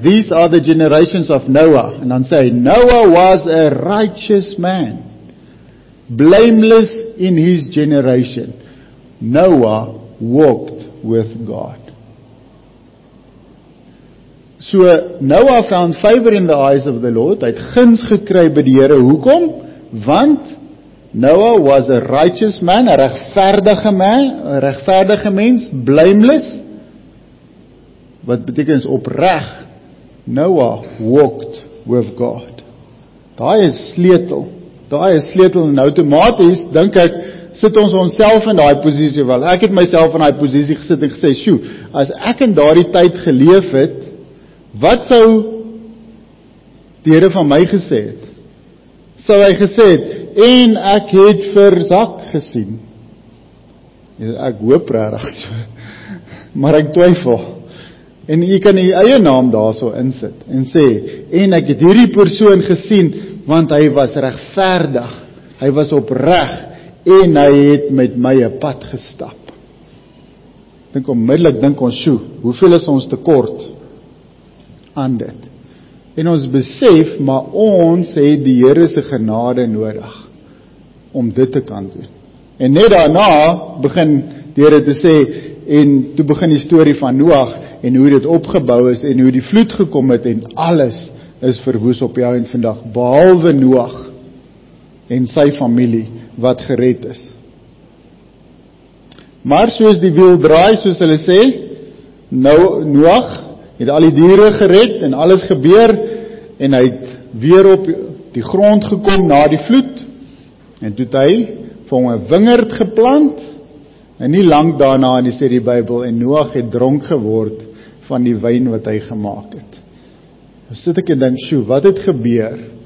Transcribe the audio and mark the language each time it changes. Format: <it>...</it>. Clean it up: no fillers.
<en>These are the generations of Noah.</en> <af>En dan sê hy,</af> <en>Noah was a righteous man. Blameless in his generation. Noah walked with God. So, Noah found favor in the eyes of the Lord.</en> <af>Hy het guns gekry by die Here. Hoekom? Want</af> <en>Noah was a righteous man, a</en> <af>regverdige man, a regverdige mens,</af> <en>blameless.</en> <af>Wat beteken is opreg,</af> <en>Noah walked with God.</en> <af>Daai is sleutel. Daai is sleutel en outomaties, dink ek, sit ons onsself in daai posisie wel. Ek het myself in daai posisie gesit en gesê, "Sjoe, as ek in daardie tyd geleef het, wat sou die Here van my gesê het? Sou hy gesê het, en ek het vir Zak gesien." Ek hoop regtig so. Maar ek twyfel. En jy kan die eie naam daar so insit en sê, en ek het hierdie persoon gesien, want hy was regverdig, hy was opreg, en hy het met my 'n pad gestap. Dink onmiddellik, dink ons, sjoe, hoeveel is ons tekort aan dit? En ons besef, maar ons het die Here se genade nodig, om dit te kan doen. En net daarna, begin die Here te sê, en toe begin die story van Noag en hoe dit opgebou is en hoe die vloed gekom het en alles is verwoes op jou en vandag, behalwe Noag en sy familie wat gered is. Maar soos die wiel draai, soos hulle sê, nou Noag het al die diere gered en alles gebeur en hy het weer op die grond gekom na die vloed en toe het hy vir hom 'n wingerd geplant en nie lank daarna, en die sê die Bybel, en Noag het dronk geword van die wyn wat hy gemaak het. Nou sit ek en denk, sjoe, wat het gebeur?</af>